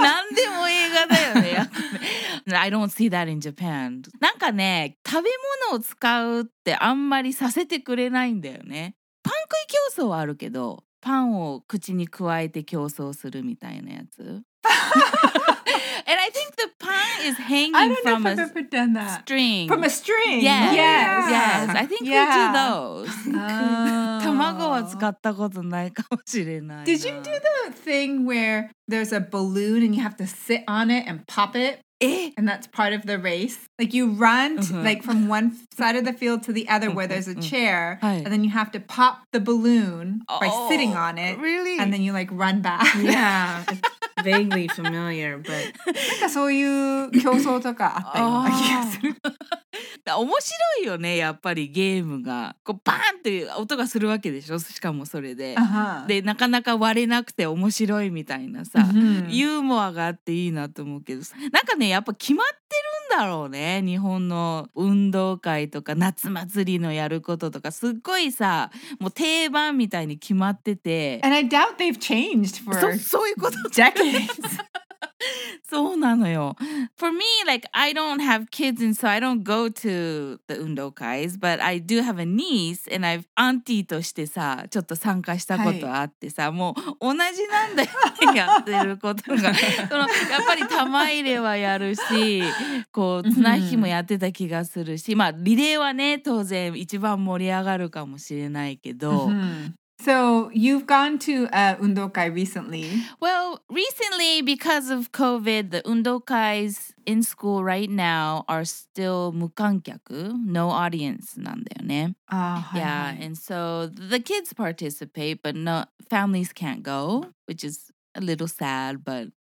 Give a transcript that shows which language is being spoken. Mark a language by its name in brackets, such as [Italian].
[Japanese] なんでも映画だよね。 [English] I don't see that in Japan. [Japanese] なんかね、食べ物を使うってあんまりさせてくれないんだよね。パン食い競争はあるけど、パンを口に加えて競争するみたいなやつ。 [English] And I think the pan is hanging from a string. From a string. Yes. Yes. Yes. I think we do those. [Japanese] 卵は使ったことないかもしれない。 [English] Did you do the thing where there's a balloon and you have to sit on it and pop it? And that's part of the race. Like you run like from one side of the field to the other where there's a chair, and then you have to pop the balloon by sitting on it. Really? And then you like run back. Yeah. Vaguely familiar, but... [Japanese] なんかそういう競争とかあったような気がする。面白いよね、やっぱりゲームが。こうバーンって音がするわけでしょ、しかもそれで。 Uh-huh. で、なかなか割れなくて面白いみたいなさ、 mm-hmm. ユーモアがあっていいなと思うけど、なんかね、やっぱ決まってるんだろうね、日本の運動会とか夏祭りのやることとか、すっごいさ、もう定番みたいに決まってて。 [English] And I doubt they've changed for [Japanese] そういうこと [English] decades. [Japanese] そうなのよ。 [English] For me, like, I don't have kids and so I don't go to the 運動会, but I do have a niece and I've auntie [Japanese] としてさ、ちょっと参加したことあってさ、はい、もう同じなんだよ、やってることが。そのやっぱり玉入れはやるし、こう、綱引きもやってた気がするし、まあ、リレーはね、当然一番盛り上がるかもしれないけど、 [English] So, you've gone to Undokai recently. Well, recently, because of COVID, the Undokais in school right now are still 無観客, no audience [Japanese] なんだよね. [English] Yeah, and so the kids participate, but no, families can't go, which is a little sad, but...